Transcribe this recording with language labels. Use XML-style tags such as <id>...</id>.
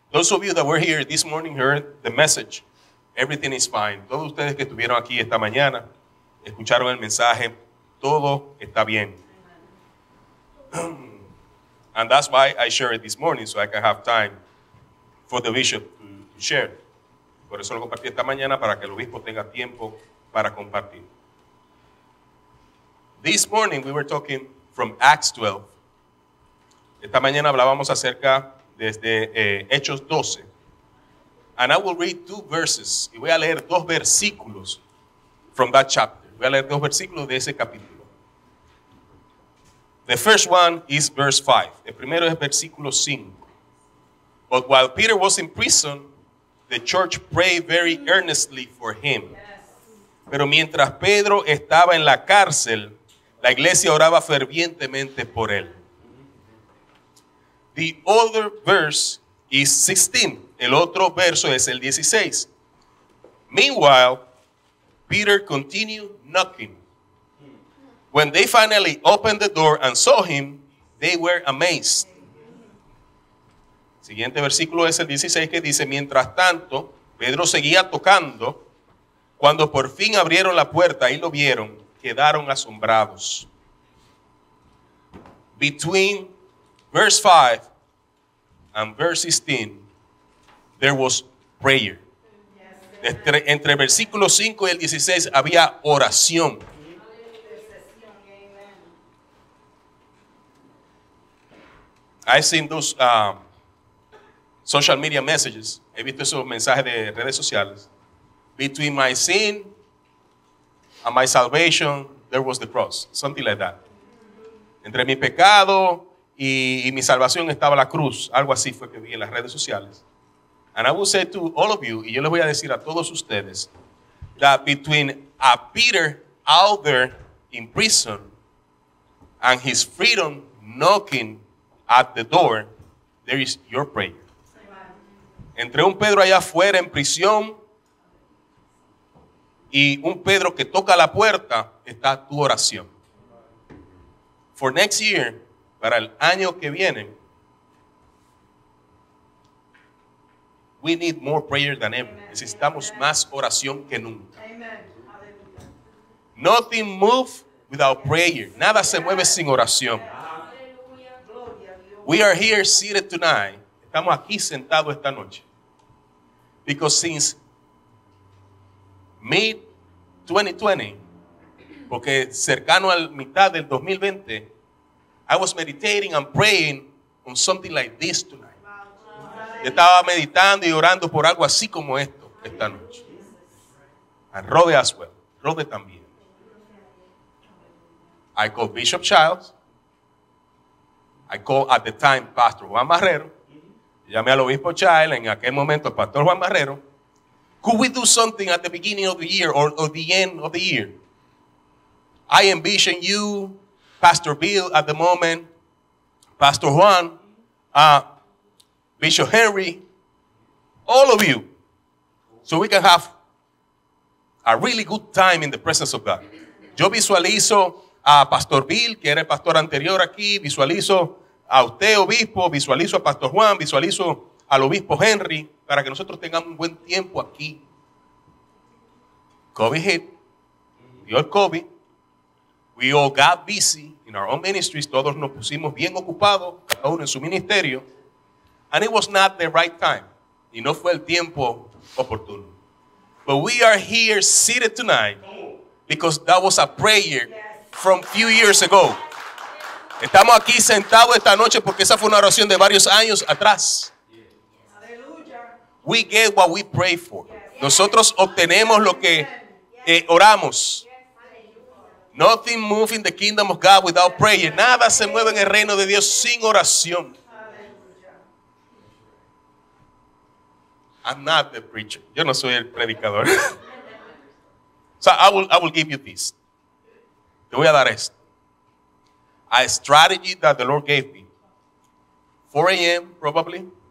<en>Those of you that were here this morning heard the message. Everything is fine.</en> <es>Todos ustedes que estuvieron aquí esta mañana escucharon el mensaje. Todo está bien.</es> <en>And that's why I share it this morning, so I can have time for the bishop to share.</en> <es>Por eso lo compartí esta mañana, para que el obispo tenga tiempo para compartir.</es> <en>This morning we were talking from Acts 12.</en> <es>Esta mañana hablábamos acerca desde Hechos 12.</es> <en>And I will read two verses.</en> <es>Y voy a leer dos versículos</es> <en>from that chapter.</en> <es>Voy a leer dos versículos de ese capítulo.</es> <en>The first one is verse 5.</en> <es>El primero es versículo 5.</es> <en>But while Peter was in prison, the church prayed very earnestly for him.</en> <es>Pero mientras Pedro estaba en la cárcel, la iglesia oraba fervientemente por él.</es> <en>The other verse is 16.</en> <es>El otro verso es el 16.</es> <en>Meanwhile, Peter continued knocking. When they finally opened the door and saw him, they were amazed.</en> <es>Siguiente versículo es el 16, que dice, mientras tanto, Pedro seguía tocando. Cuando por fin abrieron la puerta y lo vieron, quedaron asombrados.</es> <en>Between verse 5 and verse 16, there was prayer.</en> <es>Entre versículo 5 y el 16 había oración.</es> <en>I've seen those social media messages.</en> <es>He visto esos mensajes de redes sociales.</es> <en>Between my sin and my salvation, there was the cross. Something like that.</en> <es>Entre mi pecado y mi salvación estaba la cruz. Algo así fue que vi en las redes sociales.</es> <en>And I will say to all of you,</en> <es>y yo les voy a decir a todos ustedes,</es> <en>that between a Peter out there in prison and his freedom knocking at the door, there is your prayer.</en> <es>Entre un Pedro allá afuera en prisión y un Pedro que toca la puerta, está tu oración.</es> <en>For next year,</en> <es>para el año que viene,</es> <en>we need more prayer than ever. Amen.</en> <es>Necesitamos Amen. Más oración que nunca. Amen.</es> <en>Nothing moves without prayer.</en> <es>Nada se mueve sin oración.</es> <en>We are here seated tonight.</en> <es>Estamos aquí sentados esta noche.</es> <en>Because since mid-2020,</en> <es>porque cercano al mitad del 2020,</es> <en>I was meditating and praying on something like this tonight.</en> <es>Yo estaba meditando y orando por algo así como esto esta noche.</es> <en>And Rode as well.</en> <es>Rode también.</es> <en>I called Bishop Childs. I called at the time Pastor Juan Marrero.</en> <es>Llamé al Obispo Childs, en aquel momento el Pastor Juan Marrero.</es> <en>Could we do something at the beginning of the year or the end of the year? I envision you, Pastor Bill at the moment, Pastor Juan, Bishop Henry, all of you, so we can have a really good time in the presence of God.</en> <es>Yo visualizo a Pastor Bill, que era el pastor anterior aquí, visualizo a usted, obispo, visualizo a Pastor Juan, visualizo al Obispo Henry, para que nosotros tengamos un buen tiempo aquí.</es> <en>COVID hit.</en> <es>Dio el COVID.</es> <en>We all got busy in our own ministries.</en> <es>Todos nos pusimos bien ocupados, cada uno en su ministerio.</es> <en>And it was not the right time.</en> <es>Y no fue el tiempo oportuno.</es> <en>But we are here seated tonight because that was a prayer from a few years ago.</en> <es>Estamos aquí sentados esta noche porque esa fue una oración de varios años atrás.</es> <en>We get what we pray for.</en> <es>Nosotros obtenemos lo que oramos.</es> <en>Nothing moves in the kingdom of God without prayer.</en> <es>Nada se mueve en el reino de Dios sin oración.</es> <en>I'm not the preacher.</en> <es>Yo no soy el predicador.</es> <en>So I will give you this.</en> <es>Te voy a dar esto.</es> <en>A strategy that the Lord gave me. 4 a.m. probably.</en>